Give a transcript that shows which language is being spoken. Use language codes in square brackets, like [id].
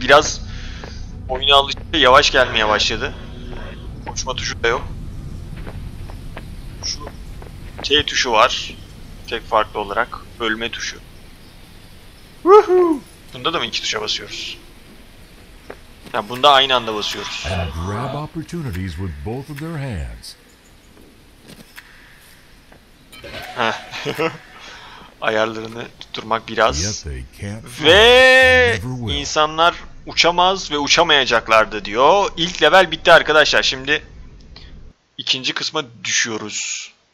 [tr] Biraz oyuna alıştı. Yavaş gelmeye başladı. Koşma tuşu da yok. T tuşu var. Tek farklı olarak. Ölme tuşu. Woohoo! Bunda da mı iki tuşa basıyoruz? Ya bunda aynı anda basıyoruz. [en] Grab opportunities with both of their hands. [tr] Ayarlarını tutturmak biraz. Ve insanlar uçamaz ve uçamayacaklardı diyor. İlk level bitti arkadaşlar. Şimdi ikinci kısma düşüyoruz.